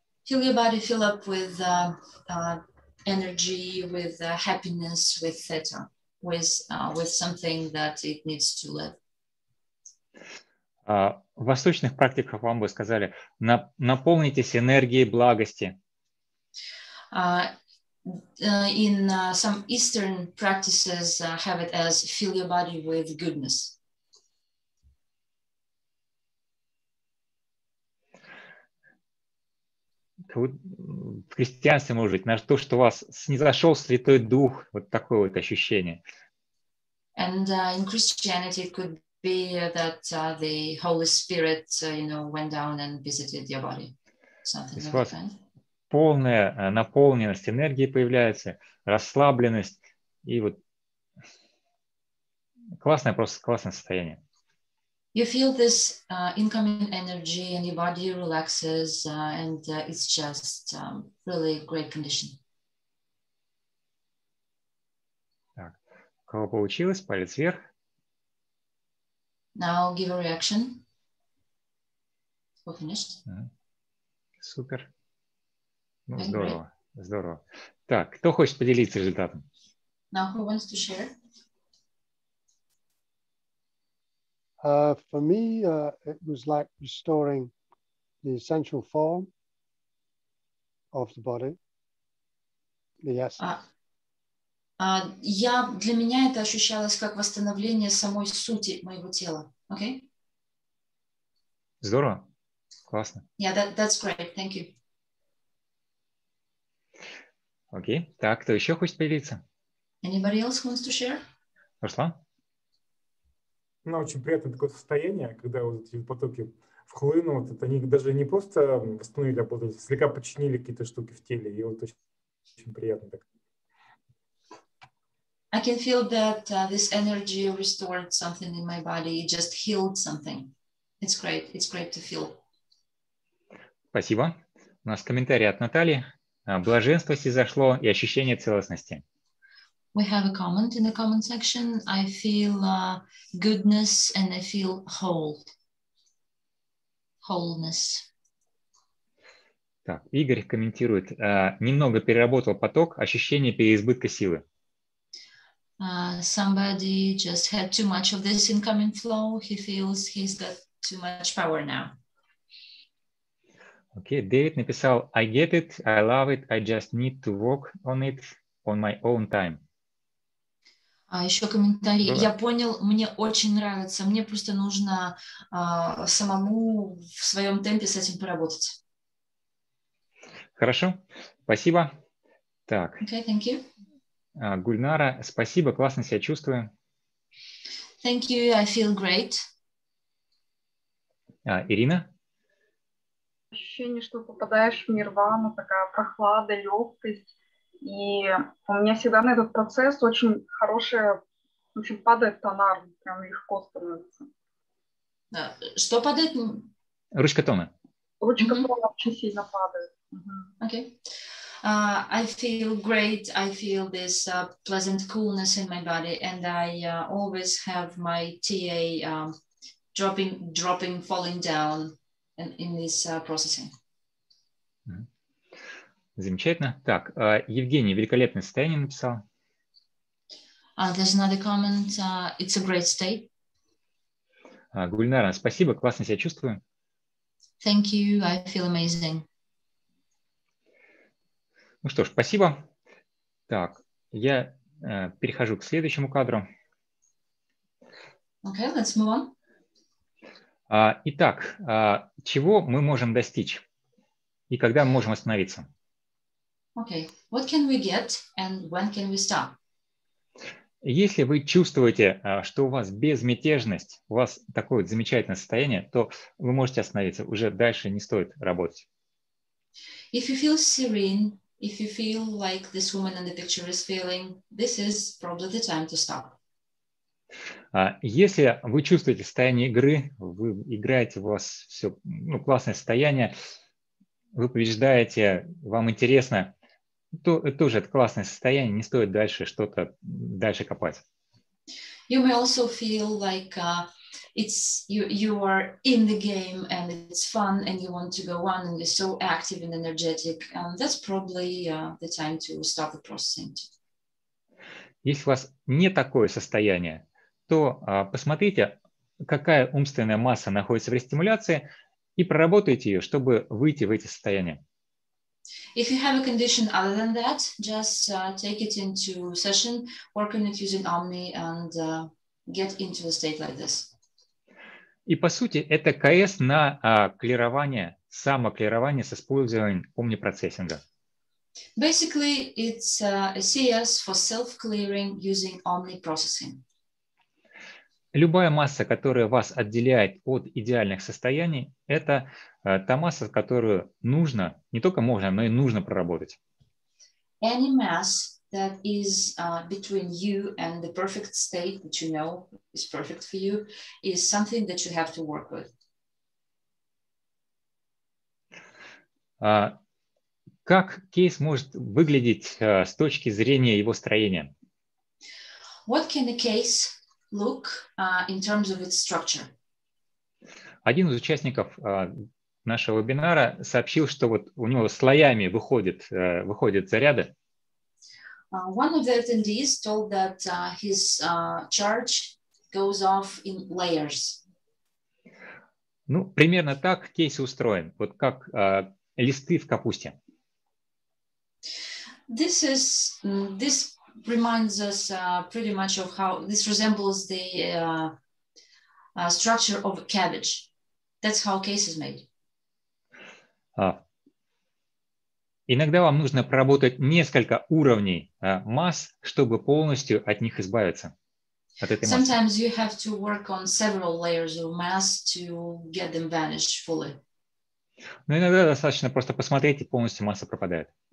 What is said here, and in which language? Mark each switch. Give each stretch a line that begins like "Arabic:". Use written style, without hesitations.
English: Feel your body fill up with energy, with happiness, with theta, with something that it needs to live.
Russian: В восточных практиках вам бы сказали, наполнитесь энергией благости.
English: Some Eastern practices have it as fill your body with goodness.
Russian: В христианстве, может быть, на то, что у вас снизошел Святой Дух, вот такое вот ощущение.
English: And in Christianity it could be that the Holy Spirit, you know, went down and visited your body. Something like that.
Russian: Полная наполненность энергии появляется, расслабленность и вот классное, просто классное состояние.
English: You feel this incoming energy and your body relaxes and it's just really great condition.
Russian: Так, у кого получилось, палец вверх.
English: Now give a reaction. We're finished.
Russian: Супер. Ну, здорово, здорово. Так, кто хочет поделиться результатом?
English: Now, who wants to share? For me, it was like restoring the essential form of the body, the essence.
Russian: Для меня это ощущалось как восстановление самой сути моего тела.
English: Okay?
Russian: Здорово, классно.
English: Yeah, that's great. Thank you.
Russian: Окей. Так, кто еще хочет появиться?
English: Anybody else wants to share?
Russian: Руслан? Ну, очень приятное такое состояние, когда вот эти потоки вхлынут. Это они даже не просто восстановили работу, а слегка починили какие-то штуки в теле. И вот очень приятно так.
English: I can feel that this energy restored something in my body. It just healed something. It's great. It's great to feel.
Russian: Спасибо. У нас комментарий от Натальи. Блаженство сизошло и ощущение целостности.
English: We have a comment in the comment section. I feel goodness and I feel whole. Wholeness.
Russian: Так, Игорь комментирует. Немного переработал поток, ощущение переизбытка силы.
English: Somebody just had too much of this incoming flow. He feels he's got too much power now.
Russian: Окей, Дэвид написал,
English: I get it, I love it, I just need to work on it on my own time.
Russian: А еще комментарий. Ну, да. Я понял, мне очень нравится, мне просто нужно самому в своем темпе с этим поработать. Хорошо, спасибо. Так.
English: Okay, thank you.
Russian: Гульнара, спасибо, классно себя чувствую.
English: Thank you, I feel great.
Russian: Ирина? Ощущение, что попадаешь в нирвану, такая прохлада, легкость. И у меня всегда на этот процесс очень хорошая, в общем, падает тонар, прям легко становится. Что падает? Ручка тона. Ручка mm-hmm. тона очень сильно падает.
English: Окей. I feel great. I feel this pleasant coolness in my body, and I always have my TA dropping, falling down in this processing.
Russian: Замечательно. Так, Евгений, великолепное состояние написал.
English: There's another comment. It's a great state.
Russian: Гульнара, спасибо, классно себя чувствую.
English: Thank you. I feel amazing.
Russian: Ну что ж, спасибо. Так, я перехожу к следующему кадру.
English: Okay, let's move on.
Russian: Итак, чего мы можем достичь и когда мы можем остановиться?
English: Okay, what can we get and when can we stop?
Russian: Если вы чувствуете, что у вас безмятежность, у вас такое вот замечательное состояние, то вы можете остановиться, уже дальше не стоит работать.
English: If you feel serene, if you feel like this woman in the picture is feeling, this is probably the time to stop.
Russian: Если вы чувствуете состояние игры, вы играете, у вас все ну, классное состояние, вы побеждаете, вам интересно, то тоже это классное состояние, не стоит дальше что-то дальше копать.
English: You may also feel like it's you are in the game and it's fun and you want to go on and you're so active and energetic. That's probably the time to stop the processing.
Russian: Если у вас не такое состояние, то посмотрите, какая умственная масса находится в рестимуляции и проработайте ее, чтобы выйти в эти состояния.
English: If you have a condition other than that, just take it into session, work on it using Omni and get into a state like this.
Russian: И по сути это КС на клирование, самоклирование с использованием Omni-процессинга.
English: Basically, it's a CS for self-clearing using Omni-processing.
Russian: Любая масса, которая вас отделяет от идеальных состояний, это та масса, которую нужно, не только можно, но и нужно проработать.
English: Any mass that is between you and the perfect state that you know is perfect for you is something that you have to work with.
Russian: Как кейс может выглядеть с точки зрения его строения?
English: What can the case look in terms of its structure?
Russian: Один из участников нашего вебинара сообщил, что вот у него слоями выходят заряды.
English: One of the attendees told that his charge goes off in layers.
Russian: Ну, примерно так кейс устроен, вот как листы в капусте.
English: This reminds us pretty much of how this resembles the structure of a cabbage. That's how case is made.
Russian: Иногда вам нужно проработать несколько уровней масс, чтобы полностью от них избавиться. От этой
English: Sometimes
Russian: массы.
English: You have to work on several layers of mass to get them vanished fully.
Russian: Но иногда достаточно просто посмотреть, и полностью масса пропадает.